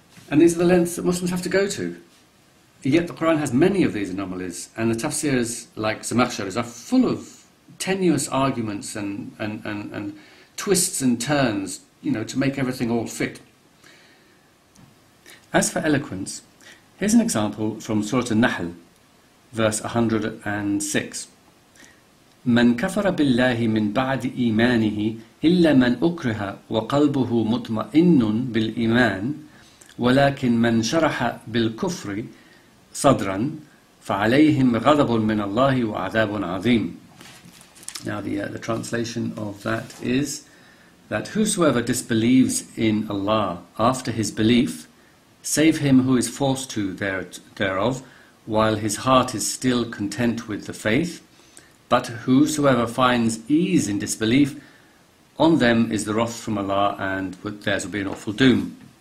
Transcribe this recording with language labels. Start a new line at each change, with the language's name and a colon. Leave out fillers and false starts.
English: And these are the lengths that Muslims have to go to. Yet the Quran has many of these anomalies, and the tafsirs, like Zamakhshari's, are full of tenuous arguments and twists and turns, you know, to make everything all fit. As for eloquence, here's an example from Surah An-Nahl, verse 106.
Arabic: من كفر بالله من بعد إيمانه إلا من أكره وقلبه مطمئن بالإيمان ولكن من شرح بالكفر صدرا فعليهم غضب من الله وعذاب عظيم.
English: Now the translation of that is that whosoever disbelieves in Allah after his belief, save him who is forced to thereof, while his heart is still content with the faith. But whosoever finds ease in disbelief, on them is the wrath from Allah, and theirs will be an awful doom.